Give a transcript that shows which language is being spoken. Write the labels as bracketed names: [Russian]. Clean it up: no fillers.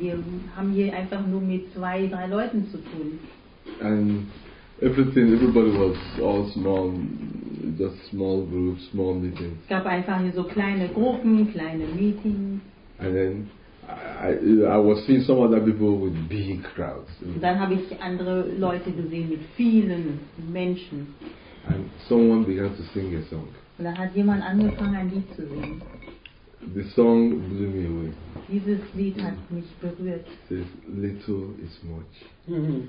[German] Wir haben hier einfach nur mit zwei, drei Leuten zu tun. [English] And everybody was all small, just small groups, small meetings. [German] Es gab einfach hier so kleine Gruppen, kleine Meetings. [English] And then I was seeing some other people with big crowds. [German] Dann habe ich andere Leute gesehen mit vielen Menschen. [English] And someone began to sing a song. [German] Und dann hat jemand angefangen ein Lied zu singen. [English] The song blew me away. [German] Dieses Lied hat mich berührt. [English] Says, little is much.